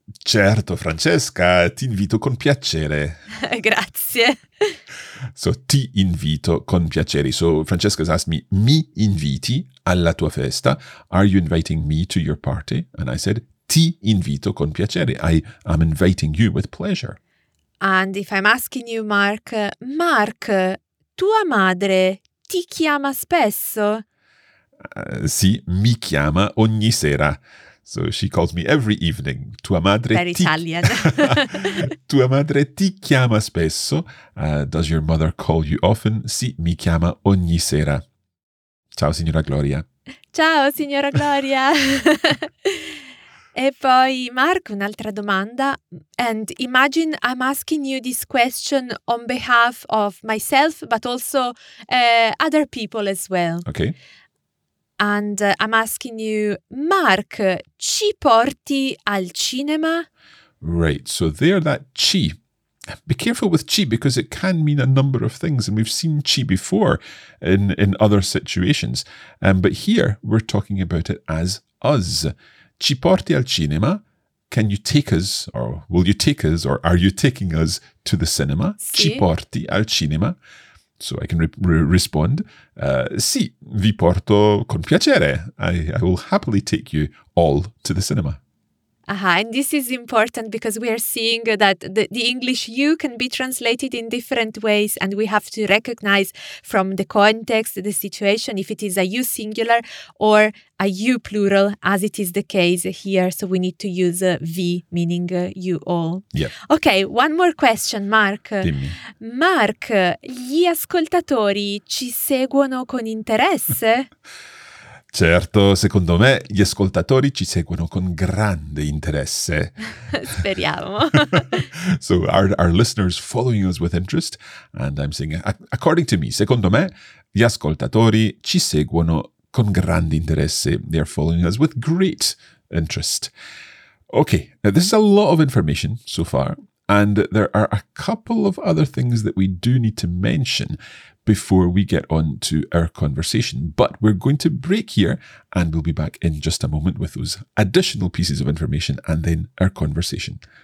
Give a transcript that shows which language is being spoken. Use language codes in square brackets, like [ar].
[it] Certo, Francesca, ti invito con piacere. Grazie. So, ti invito con piacere. [en] So, Francesca's asked me, [it] mi inviti alla tua festa? [en] Are you inviting me to your party? And I said, [it] ti invito con piacere. [en] I am inviting you with pleasure. And if I'm asking you, Mark, Mark, [it] tua madre ti chiama spesso? Sì, mi chiama ogni sera. [en] So she calls me every evening. [it] Tua madre [en] per Italian. [it] Tua madre ti chiama spesso. [en] Does your mother call you often? [it] Sì, mi chiama ogni sera. Ciao, signora Gloria. Ciao, signora Gloria. E poi, Mark, un'altra domanda. [en] And imagine I'm asking you this question on behalf of myself, but also other people as well. Okay. And I'm asking you, Mark, [it] ci porti al cinema? [en] Right, so there that ci. Be careful with ci because it can mean a number of things. And we've seen ci before in other situations. But here we're talking about it as us. [it] Ci porti al cinema? [en] Can you take us, or will you take us, or are you taking us to the cinema? [it] Si. Ci porti al cinema? [en] So I can respond, [it] sì, vi porto con piacere. [en] I will happily take you all to the cinema. Uh-huh, and this is important because we are seeing that the English you can be translated in different ways, and we have to recognize from the context, the situation, if it is a you singular or a you plural, as it is the case here. So we need to use vi, meaning you all. Yeah. Okay, one more question, Mark. [it] Dimmi. Mark, gli ascoltatori ci seguono con interesse? Certo, secondo me gli ascoltatori ci seguono con grande interesse. Speriamo. [en] So are listeners following us with interest? And I'm saying, according to me, [it] secondo me, gli ascoltatori ci seguono con grande interesse. [en] They are following us with great interest. Okay, now this is a lot of information so far. And there are a couple of other things that we do need to mention before we get on to our conversation. But we're going to break here and we'll be back in just a moment with those additional pieces of information and then our conversation.